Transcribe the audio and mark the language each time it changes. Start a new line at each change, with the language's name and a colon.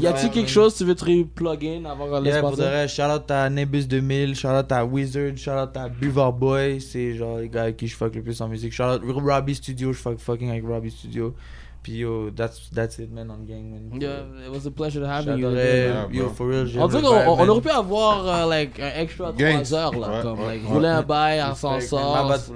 French: Y'a-tu quelque chose tu veux te plug-in avant qu'on laisse passer? Shout-out à Nebus 2000, shout-out à Wizard, shout-out à Buvar Boy, c'est genre les gars avec qui je fuck le plus en musique. Shout-out à Robbie Studio, je fuck fucking avec Robbie Studio. Puis
English: yo, that's it, man, on gang, man. Yeah, it was a pleasure to have you. Yo, for real,
French: j'ai un bail, man. On aurait pu avoir, like, un extra 3 heures, là, comme, like, voulait un bail, on s'en sort.